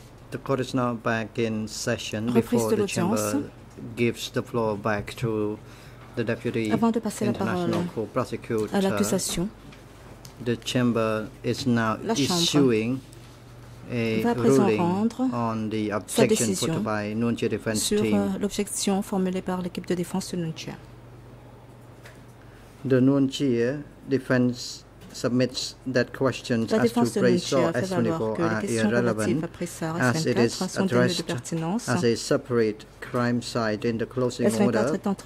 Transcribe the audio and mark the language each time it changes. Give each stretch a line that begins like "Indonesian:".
English: The court is now back in session before the chamber gives the floor back to the deputy international co-prosecutor. The chamber is now issuing a ruling on the objection put by Nunchia defense team.
French: L'objection formulée par l'équipe de défense de Nunchia.
English: The Nunchia defense submits that questions as to praise SUOS Thy are irrelevant as it is addressed as a separate crime site in the closing order.